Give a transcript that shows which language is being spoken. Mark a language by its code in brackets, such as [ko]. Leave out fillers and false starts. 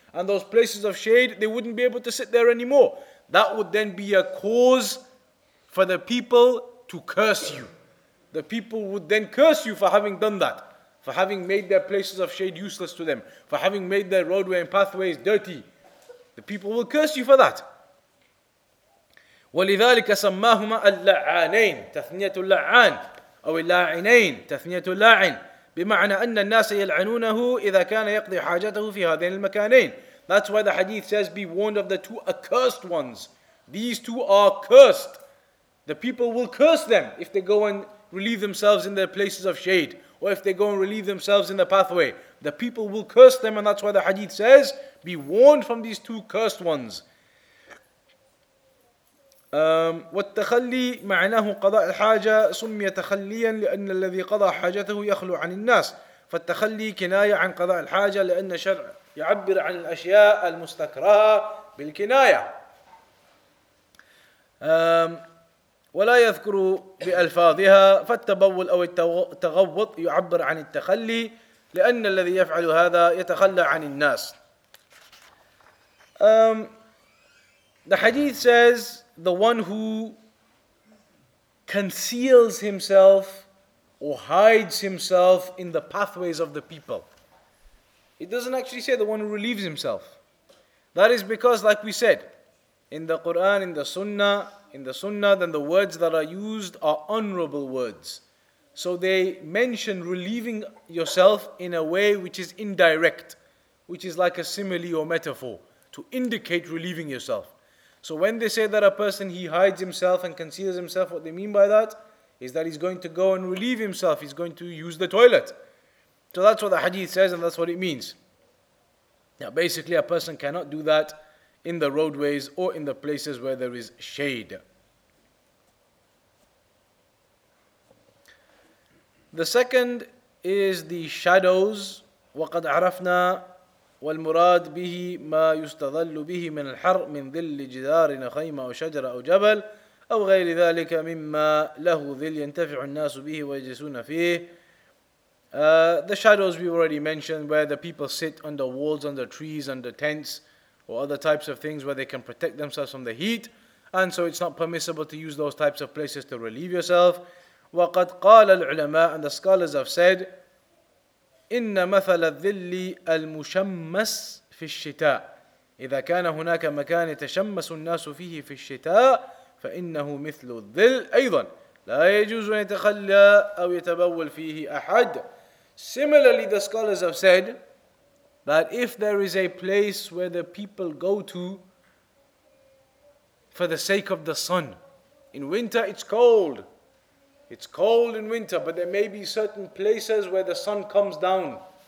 [en] And those places of shade, they wouldn't be able to sit there anymore. That would then be a cause for the people to curse you. The people would then curse you for having done that, for having made their places of shade useless to them, for having made their roadway and pathways dirty. The people will curse you for that. [ar] وَلِذَٰلِكَ سَمَّاهُمَا اللَّعَانَيْنِ تَثْنِيَةُ اللَّعَانِ أو اللاعنين تثنية اللاعن بمعنى أن الناس يلعنونه إذا كان يقضي حاجته في هذين المكانين. [en] That's why the hadith says, be warned of the two accursed ones. These two are cursed. The people will curse them if they go and relieve themselves in their places of shade, or if they go and relieve themselves in the pathway. The people will curse them, and that's why the hadith says, be warned from these two cursed ones. [ar] والتخلي معناه قضاء الحاجة سمي تخليا لأن الذي قضى حاجته يخلو عن الناس فالتخلي كناية عن قضاء الحاجة لأن شرع يعبر عن الأشياء المستكرهة بالكناية ولا يذكر بألفاظها فالتبول أو التغوط يعبر عن التخلي لأن الذي يفعل هذا يتخلى عن الناس [en] The hadith says, the one who conceals himself or hides himself in the pathways of the people. It doesn't actually say the one who relieves himself. That is because, like we said, in the Quran, in the Sunnah, then the words that are used are honorable words. So they mention relieving yourself in a way which is indirect, which is like a simile or metaphor to indicate relieving yourself. So when they say that a person, he hides himself and conceals himself, what they mean by that is that he's going to go and relieve himself. He's going to use the toilet. So that's what the hadith says, and that's what it means. Now basically, a person cannot do that in the roadways or in the places where there is shade. The second is the shadows. [ar] وَقَدْ عَرَفْنَا والمراد به ما يستظل به من الحر من ظل جدار خيمة أو شجرة أو جبل أو غير ذلك مما له ظل ينتفع الناس به ويجلسون فيه. [en] The shadows we already mentioned, where the people sit under walls, under trees, under tents, or other types of things where they can protect themselves from the heat, and so it's not permissible to use those types of places to relieve yourself. [ar] وقد قال العلماء, [en] and the scholars have said, [ar] إن مثل الظل المشمس في الشتاء إذا كان هناك مكان يتشمس الناس فيه في الشتاء فإنه مثل الظل أيضا لا يجوز أن يتخلى أو يتبول فيه أحد. [en] Similarly, the scholars have said that if there is a place where the people go to for the sake of the sun, in winter it's cold. It's cold in winter, but there may be certain places where the sun comes down.